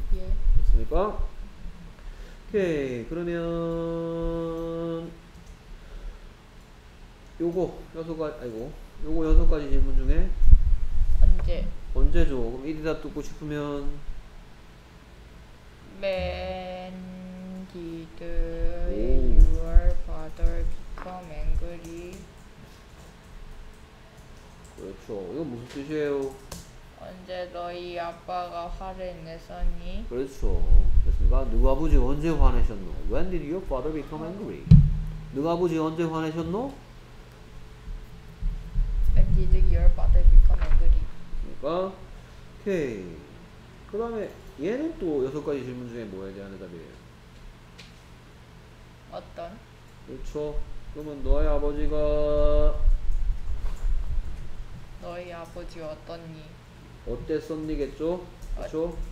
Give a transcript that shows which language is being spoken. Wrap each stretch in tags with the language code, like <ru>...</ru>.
<ko>예. 됐습니까? 오케이. 그러면 요거 여섯 가지 아이고 요거 여섯 가지 질문 중에 언제? 언제죠? 그럼 이리다 듣고 싶으면</ko> <en>When did your father become angry?</en> <ko>그렇죠. 이거 무슨 뜻이에요? 언제 너희 아빠가 화를 냈었니? 그렇죠. 됐습니까? 누가 아버지 언제 화내셨노?</ko> <en>When did your father become angry?</en> <ko>누가 아버지 언제 화내셨노?</ko> <en>When did your father become angry?</en> <ko>됐습니까? 오케이. 그 다음에 얘는 또 여섯 가지 질문 중에 뭐에 대한 대답이에요? 어떤? 그렇죠. 그러면 너희 아버지가 너희 아버지 어떻니? 어땠었니겠죠? 그쵸?</ko>